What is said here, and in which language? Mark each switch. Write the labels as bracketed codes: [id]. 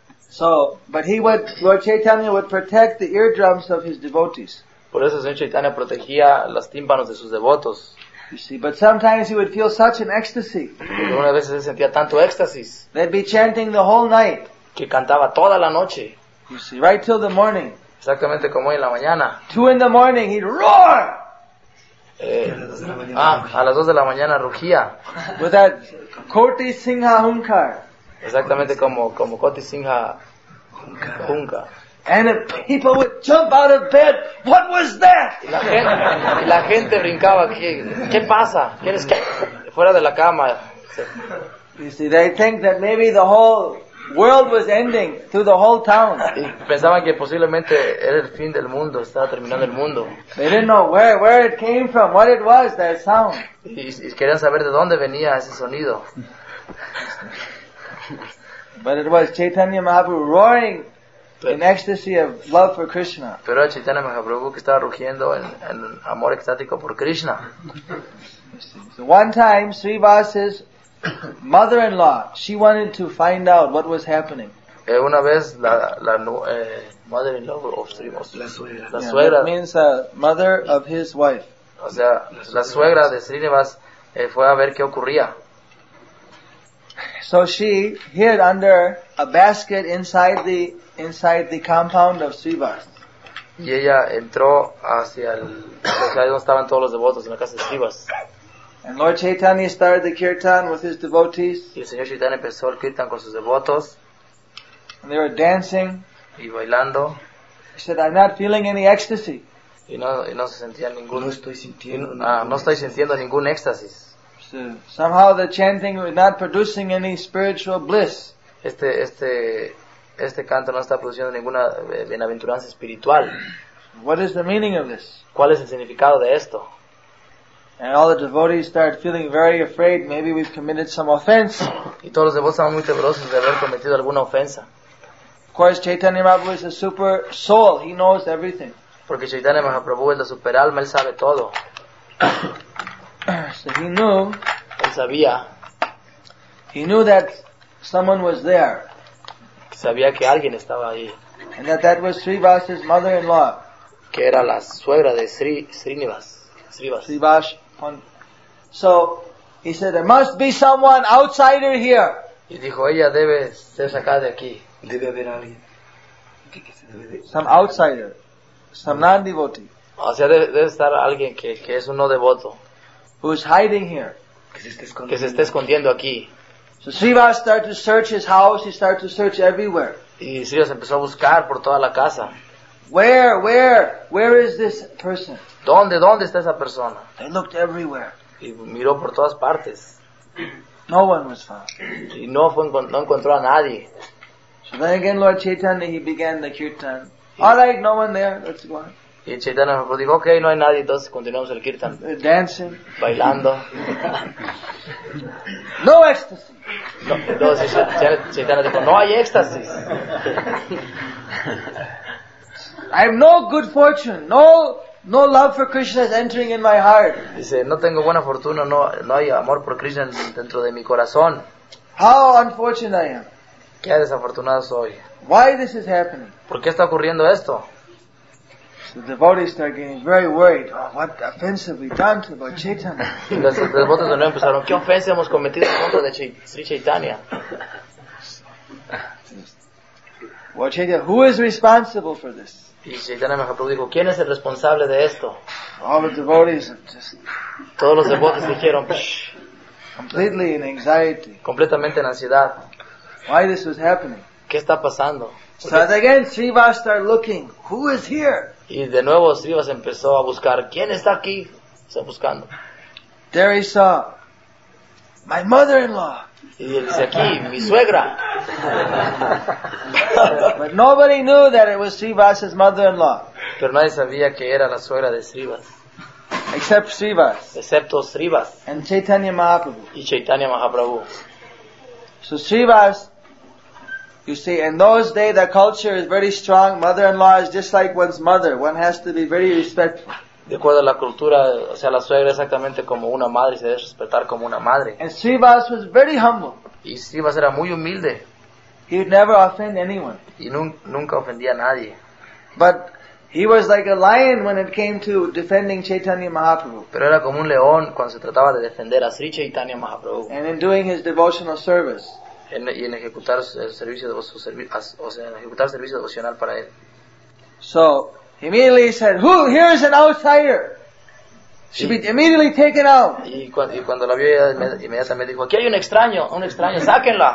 [en] So, but Lord Chaitanya would protect the eardrums of his devotees. [es] Por eso Señor Chaitanya protegía los tímpanos de sus devotos. [en] You see, but sometimes he would feel such an ecstasy. [es] Una vez se sentía tanto éxtasis. [en] They'd be chanting the whole night. [es] Que cantaba toda la noche. [en] You see, right till the morning. [es] Exactamente como hoy en la mañana. [en] 2 in the morning, he'd roar. [es] A las 2 de la mañana rugía. [en] With that Koti Singha Hunkar. [es] Exactamente como Koti Singha Hunkar. [en] And if people would jump out of bed, what was that? [es] La gente brincaba. ¿Qué pasa? ¿Quieres que fuera de la cama? [en] You see, they think that maybe the whole world was ending to the whole town. [es] Pensaban que posiblemente era el fin del mundo, estaba terminando el mundo. [en] They didn't know where it came from, what it was, that sound. [es] Y querían saber de dónde venía ese sonido. [en] But it was Chaitanya Mahaprabhu roaring. In ecstasy of love for Krishna. [es] Pero Chaitanya Mahaprabhu que estaba rugiendo en amor extático por Krishna. [en] One time, Srivas's mother-in-law, she wanted to find out what was happening. [es] Una vez la [en] mother-in-law of Srivas. [es] La suegra. [en] Yeah, means mother of his wife. [es] O sea, la suegra de Srivas fue a ver qué ocurría. [en] So she hid under a basket inside the compound of Srivas. [es] Y ella entró hacia donde estaban todos los devotos en la casa de Srivas. [en] And Lord Chaitanya started the kirtan with his devotees. [es] Y el señor Chaitanya empezó el kirtan con sus devotos. [en] And they were dancing. [es] Y bailando. [en] He said, "I'm not feeling any ecstasy." [es] Y no se sentía ningún. No estoy sintiendo ningún éxtasis. [en] Somehow the chanting was not producing any spiritual bliss. [es] Este canto no está produciendo ninguna bienaventuranza espiritual. [en] What is the meaning of this? [es] ¿Cuál es el significado de esto? [en] And all the devotees start feeling very afraid. Maybe we've committed some offense. [es] Y todos los devotos están muy temerosos de haber cometido alguna ofensa. [en] Of course, Chaitanya Mahaprabhu is a super soul. He knows everything. [es] Porque Chaitanya Mahaprabhu es la super alma. Él sabe todo. [en] So he knew. [es] Él sabía. [en] He knew that someone was there. [es] Sabía que alguien estaba ahí. [en] And that was Srivas's mother-in-law. [es] Que era la suegra de Srinivas. Srivas. Srivas. [en] So he said, "There must be someone outsider here." [es] Y dijo, ella debe ser sacada de aquí. Debe haber alguien. [en] Some outsider. Some non-devotee. [es] O sea, debe estar alguien que es un no devoto. [en] Who's hiding here? [es] Que se está escondiendo aquí. [en] So Srivas started to search his house. He started to search everywhere. [es] Y Srivas empezó a buscar por toda la casa. [en] Where is this person? [es] ¿Dónde está esa persona? [en] They looked everywhere. [es] Y miró por todas partes. [en] No one was found. [es] Y no encontró a nadie. [en] So then again, Lord Chaitanya, he began the kirtan. Alright, no one there. Let's go on. [es] Y Chaitanya me dijo, ok, no hay nadie, entonces continuamos el kirtan. [en] Dancing. [es] Bailando. [en] No ecstasy. [es] No, entonces Chaitanya dijo, no hay éxtasis. [en] I have no good fortune, no love for Krishna is entering in my heart. [es] Dice, no tengo buena fortuna, no hay amor por Krishna dentro de mi corazón. [en] How unfortunate I am. [es] Qué desafortunado soy. [en] Why this is happening? [es] ¿Por qué está ocurriendo esto? [en] The devotees start getting very worried. Oh, what offense have we done to Lord Chaitanya? [es] Los devotos de nuevo empezaron. ¿Qué ofensa hemos cometido contra de Sri Chaitanya? [en] Lord Chaitanya, who is responsible for this? [es] Y Chaitanya Mahaprabhu dijo, ¿quién es el responsable de esto? [en] All the devotees just. [es] Todos los devotos dijeron, [en] Completely in anxiety. [es] Completamente en ansiedad. [en] Why this was happening? [es] ¿Qué está pasando? [en] So again, Srivas started looking. Who is here? [es] Y de nuevo Srivas empezó a buscar. ¿Quién está aquí? Está buscando. [en] There he saw my mother-in-law. [es] Y él dice aquí, mi suegra. [en] But nobody knew that it was Srivas's mother-in-law. [es] Pero nadie sabía que era la suegra de Srivas. [en] Except Srivas. [es] Excepto Srivas. [en] And Chaitanya Mahaprabhu. [es] Y Chaitanya Mahaprabhu. [en] So Srivas, you see, in those days the culture is very strong. Mother-in-law is just like one's mother. One has to be very respectful. [es] De acuerdo a la cultura, o sea, la suegra es exactamente como una madre, se debe respetar como una madre. [en] And Srivas was very humble. [es] Y Srivas era muy humilde. [en] He would never offend anyone. [es] Y nunca ofendía a nadie. [en] But he was like a lion when it came to defending Chaitanya Mahaprabhu. [es] Pero era como un león cuando se trataba de defender a Sri Chaitanya Mahaprabhu. [en] And in doing his devotional service. [es] Y en ejecutar el servicio devocional para él. [en] So he immediately said, "Who? Here is an outsider. Should be immediately taken out." [es] Y cuando la vio, inmediatamente dijo, "Aquí hay un extraño, sáquenla."